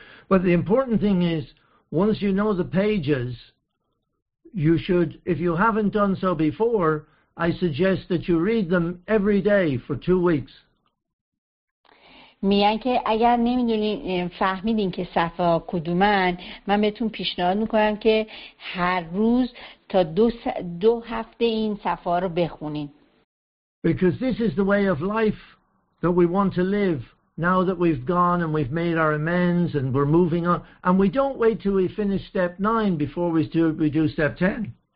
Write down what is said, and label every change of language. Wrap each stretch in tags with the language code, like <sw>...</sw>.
<en>But the important thing is, once you know the pages, you should, if you haven't done so before, I suggest that you read them every day for 2 weeks.</en> <fa>میگن که اگر نمیدونین فهمیدین که صفحه کدومن، من بهتون پیشنهاد میکنم که هر روز تا دو هفته این صفحه رو بخونین.</fa> <en>Because this is the way of life that we want to live now that we've gone and we've made our amends and we're moving on and we don't wait till we finish step 9 before we do step 10.</en>